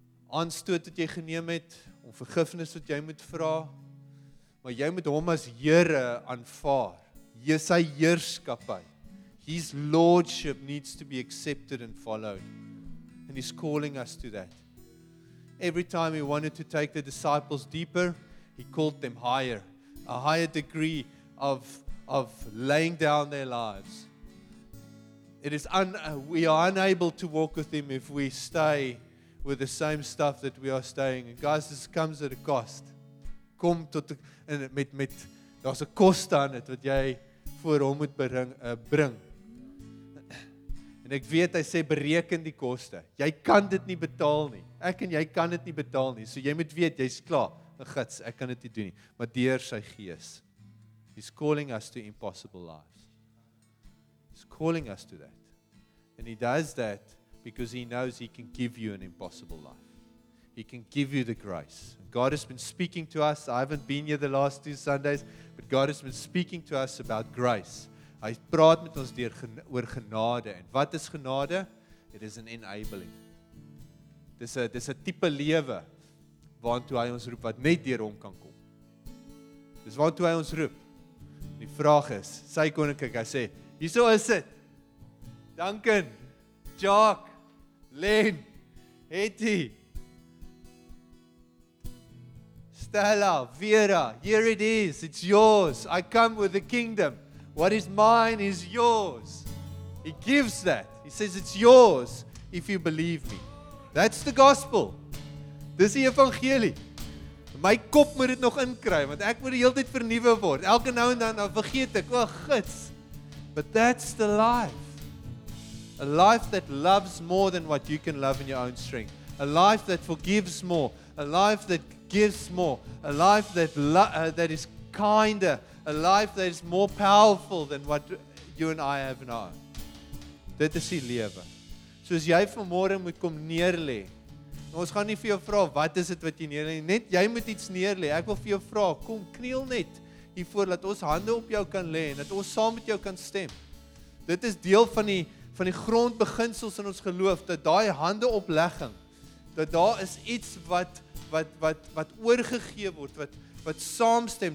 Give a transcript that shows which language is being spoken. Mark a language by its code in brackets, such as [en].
[af] Aanstoot wat jy geneem het, om vergifnis wat jy moet vra, maar jy moet Hom as Here aanvaar. Sy heerskappy. [en] His lordship needs to be accepted and followed. And He's calling us to that. Every time He wanted to take the disciples deeper, He called them higher, a higher degree of laying down their lives. We are unable to walk with Him if we stay with the same stuff that we are staying. And guys, this comes at a cost. [af] Kom tot en met daar's 'n koste aan dit wat jy voor Hom moet bring. En ek weet hy sê bereken die koste. Jy kan dit nie betaal nie. Ek en jy kan dit nie betaal nie. So jy moet weet jy's klaar. Gids, ek kan dit nie doen nie, maar deur sy gees. [en] He's calling us to impossible lives. He's calling us to that. And He does that because He knows He can give you an impossible life. He can give you the grace. God has been speaking to us. I haven't been here the last two Sundays, but God has been speaking to us about grace. [af] Hy praat met ons oor genade. En wat is genade? [en] It is an enabling. [af] Dis a type lewe waartoe hy ons roep, wat net deur hom kan kom. Dis waartoe hy ons roep. Die vraag is, sy koninkryk, hy sê, hierso is dit, Duncan, Jacques, Len, Hetty, Stella, Vera, [en] here it is, it's yours, I come with the kingdom, what is mine is yours. He gives that, he says it's yours, if you believe me. That's the gospel. [af] Dis die evangelie. my kop moet dit nog inkry, want ek moet die hele tyd vernuwe word. Elke nou en dan vergeet ek, o gits. [en] But that's the life. A life that loves more than what you can love in your own strength. A life that forgives more. A life that gives more. A life that that is kinder. A life that is more powerful than what you and I have now. [af] Dit is die lewe. So as jy vanmôre moet kom neerlê. Ons gaan nie vir jou vra wat is dit wat jy neerlê nie. Net jy moet iets neerlê. Ek wil vir jou vra, kom kniel net hier voor dat ons hande op jou kan lê en dat ons saam met jou kan stem. Dit is deel van die grondbeginsels in ons geloof dat daai hande oplegging dat daar is iets wat oorgegee word wat saamstem.